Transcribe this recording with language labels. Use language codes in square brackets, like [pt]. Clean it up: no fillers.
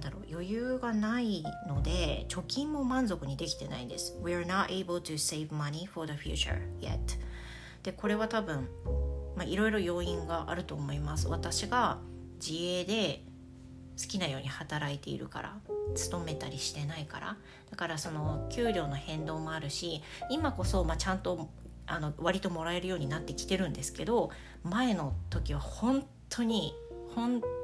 [ja] 余裕がないので貯金も満足にできてないんです。 [en] We are not able to save money for the future yet. [ja] でこれは多分、まあ、いろいろ要因があると思います。私が自営で好きなように働いているから、勤めたりしてないから、だからその給料の変動もあるし、今こそまあちゃんとあの割ともらえるようになってきてるんですけど、前の時は本当に本